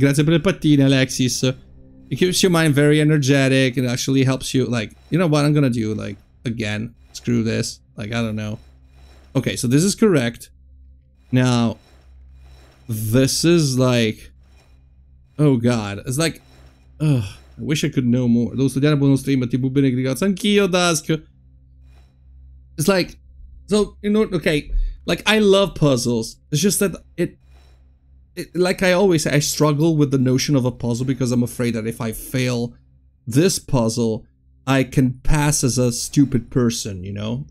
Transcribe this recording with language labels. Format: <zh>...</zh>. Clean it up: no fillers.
<it>Grazie per le pattine, Alexis.</it> <en>It keeps your mind very energetic and actually helps you, like, you know what I'm gonna do, like, again, screw this, like, I don't know. Okay, so this is correct. Now this is like, oh God, it's like, ugh, I wish I could know more.</en> <it>Lo studiare buono stream, tipo bene, grazie anch'io, Dusk.</it> <en>It's like, so, you know, okay, like, I love puzzles. It's just that like I always say, I struggle with the notion of a puzzle because I'm afraid that if I fail this puzzle, I can pass as a stupid person, you know?</en>